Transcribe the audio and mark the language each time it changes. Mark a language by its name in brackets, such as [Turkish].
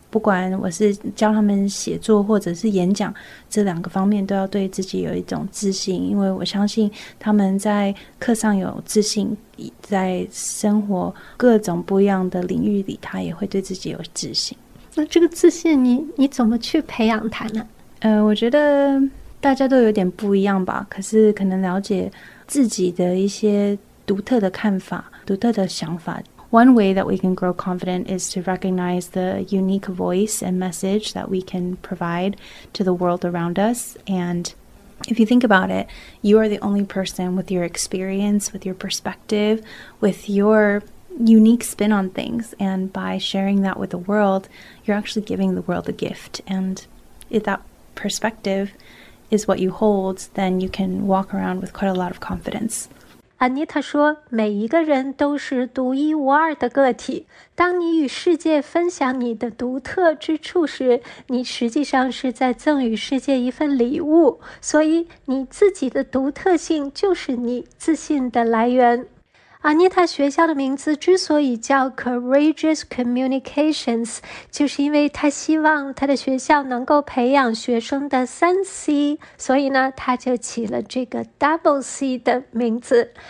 [Chinese] 不管我是教他们写作或者是演讲，这两个方面都要对自己有一种自信，因为我相信他们在课上有自信，在生活各种不一样的领域里，他也会对自己有自信。那这个自信你怎么去培养他呢？我觉得大家都有点不一样吧，可是可能了解自己的一些独特的看法、独特的想法。 [English] One way that we can grow confident is to recognize the unique voice and message that we can provide to the world around us. And if you think about it, you are the only person with your experience, with your perspective, with your unique spin on things. And by sharing that with the world, you're actually giving the world a gift. And if that perspective is what you hold, then you can walk around with quite a lot of confidence. [Chinese] Anita 说，每一个人都是独一无二的个体。当你与世界分享你的独特之处时，你实际上是在赠予世界一份礼物。所以，你自己的独特性就是你自信的来源。 Anita 学校的名字之所以叫 Courageous Communications， 就是因为她希望她的学校能够培养学生的三 C， 所以呢，她就起了这个 Double C 的名字。